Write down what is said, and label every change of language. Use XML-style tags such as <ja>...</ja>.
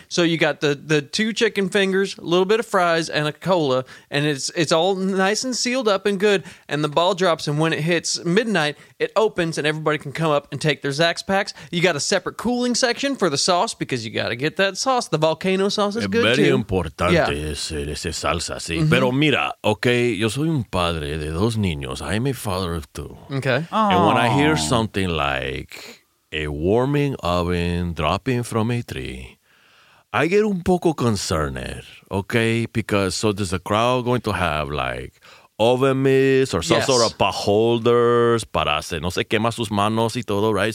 <en>So you got the two chicken fingers, a little bit of fries, and a cola. And it's all nice and sealed up and good. And the ball drops. And when it hits midnight, it opens and everybody can come up and take their Zach's packs. You got a separate cooling section for the sauce because you got to get that sauce. The volcano sauce is good, very too.</en> <es>Very importante ese salsa, sí. Mm-hmm. Pero mira, okay, yo soy un padre de dos niños.</es> <en>I'm a father of two. Okay. Aww. And when I hear something like... a warming oven dropping from a tree, I get</en> <es>un poco</es> <en>concerned, okay? Because so does the crowd going to have like oven mitts or some sort of pot holders</en> <es>para se no se quema sus manos y todo,</es> <en>right?</en>